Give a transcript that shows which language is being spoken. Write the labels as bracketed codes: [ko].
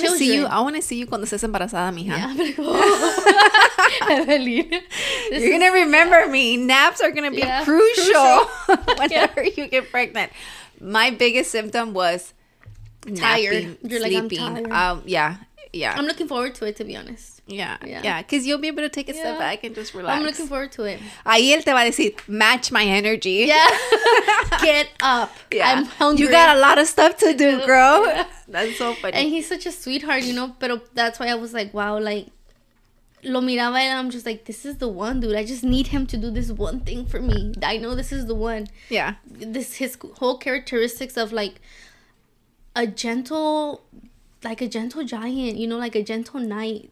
[en] children. I want to see you [es] cuando estés embarazada, mija. [en] Yeah, like, you're going to remember me. Naps are going to be crucial whenever you get pregnant. My biggest symptom was tired. You're sleeping. Like, I'm tired. Yeah. I'm looking forward to it, to be honest. Yeah. Because you'll be able to take a step back and just relax. I'm looking forward to it. [es] Ahí él te va a decir, [en] match my energy. Yeah. Get up. Yeah. I'm hungry. You got a lot of stuff to do, girl. Yeah. That's so funny. And he's such a sweetheart, you know? But that's why I was like, wow, like, [es] lo miraba y [en] I'm just like, this is the one, dude. I just need him to do this one thing for me. I know this is the one. Yeah. This, his whole characteristics of, like, a gentle giant, you know, like a gentle knight.